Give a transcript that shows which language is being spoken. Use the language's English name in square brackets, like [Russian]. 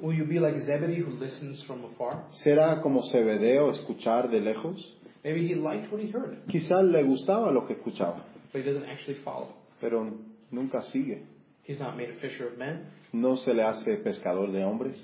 [English] Will you be like Zebedee who listens from afar? [Spanish] ¿Será como Zebedeo escuchar de lejos? [English] Maybe he liked what he heard. [Spanish] Quizás le gustaba lo que escuchaba. [English] But he doesn't actually follow. [Spanish] Pero nunca sigue. [English] He's not made a fisher of men. [Spanish] No se le hace pescador de hombres.